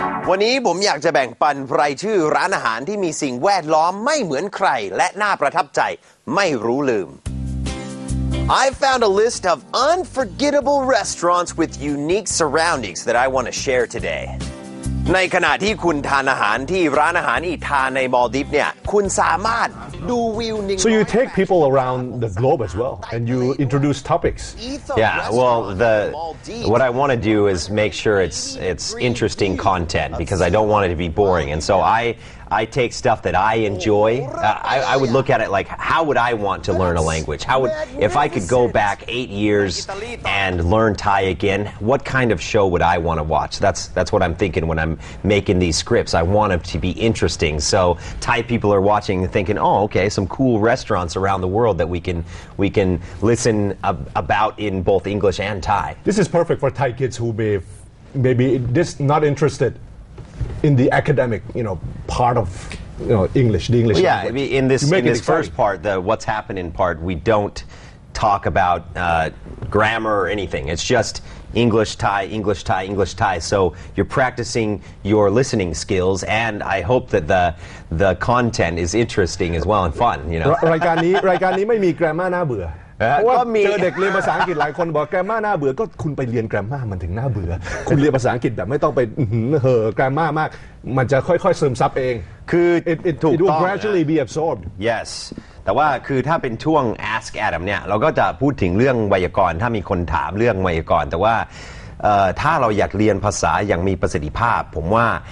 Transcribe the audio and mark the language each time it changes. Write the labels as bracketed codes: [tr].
[th] วันนี้ผมอยากจะแบ่งปันรายชื่อร้านอาหารที่มีสิ่งแวดล้อมไม่เหมือนใครและน่าประทับใจไม่รู้ลืม [en] I found a list of unforgettable restaurants with unique surroundings that I want to share today [th] ในขณะที่คุณทานอาหารที่ร้านอาหารอีทาในมอลดีฟเนี่ยคุณสามารถดูวิวนิ่ง [en] So you take people around the globe as well and you introduce topics Yeah well what I want to do is make sure it's interesting content because I don't want it to be boring and so I take stuff that I enjoy I would look at it like how would I want to learn a language how would if I could go back 8 years and learn Thai again what kind of show would I want to watch that's what I'm thinking when I'm making these scripts I want it to be interesting so Thai people are watching and thinking oh okay some cool restaurants around the world that we can listen about in both English and Thai this is perfect for Thai kids who may maybe just not interestedIn the academic, you know, part of, you know, English, the English. Well, yeah, in this first part, the what's happening part, we don't talk about grammar or anything. It's just English, Thai, English, Thai, English, Thai. So you're practicing your listening skills, and I hope that the content is interesting as well and fun. You know, [th] รายการนี้ไม่มี grammar น่าเบื่อเพราะว่าเจอเด็กเรียนภาษาอังกฤษหลายคนบอกแกรมม่าน่าเบื่อก็คุณไปเรียนแกรมม่ามันถึงน่าเบื่อคุณเรียนภาษาอังกฤษแบบไม่ต้องไปเห่อแกรมม่ามากมันจะค่อยๆเสริมซับเอง คือ [en] it will gradually be absorbed [th] yes แต่ว่าคือถ้าเป็นช่วง ask Adam เนี่ยเราก็จะพูดถึงเรื่องไวยากรณ์ถ้ามีคนถามเรื่องไวยากรณ์แต่ว่าถ้าเราอยากเรียนภาษาอย่างมีประสิทธิภาพผมว่า